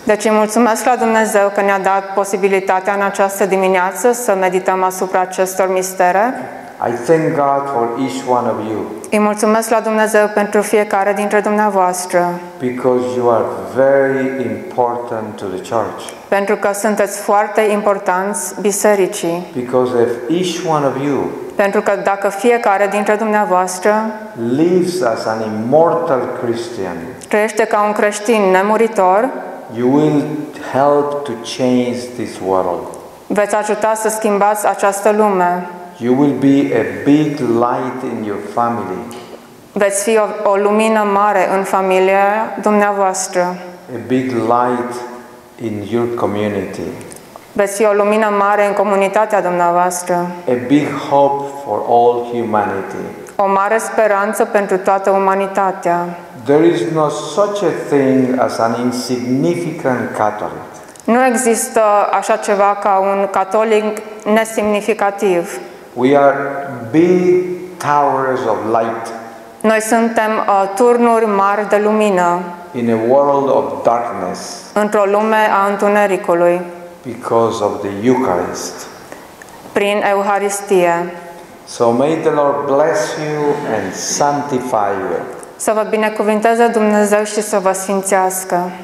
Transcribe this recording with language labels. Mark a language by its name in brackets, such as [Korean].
[Romanian] Deci mulțumesc la Dumnezeu că ne-a dat posibilitatea în această dimineață să medităm asupra acestor mistere. [English] I thank God for each one of you. [Romanian] Îi mulțumesc la Dumnezeu pentru fiecare dintre dumneavoastră. [English] Because you are very important to the church. [Romanian] Pentru că sunteți foarte importanți bisericii. [English] Because if each one of you. [Romanian] Pentru că dacă fiecare dintre dumneavoastră [English] lives as an immortal Christian. [Romanian] Trăiește ca un creștin nemuritor. [English] You will help to change this world. [Romanian] Veți ajuta să schimbați această lume. [English] You will be a big light in your family. [Romanian] Veți fi o lumină mare în familia dumneavoastră. [English] A big light in your community. [Romanian] Veți fi o lumină mare în comunitatea dumneavoastră. [English] A big hope for all humanity. [Romanian] O mare speranță pentru toată umanitatea. [English] There is no such a thing as an insignificant Catholic. [Romanian] Nu există așa ceva ca un catolic nesemnificativ. [English] We are big towers of light. [Romanian] Noi suntem turnuri mari de lumină. [English] In a world of darkness. [Romanian] Într-o lume a întunericului. [English] Because of the Eucharist. [Romanian] Prin Euharistie. [English] So may the Lord bless you and sanctify you. [Romanian] Să vă binecuvinteze Dumnezeu și să vă sfințească.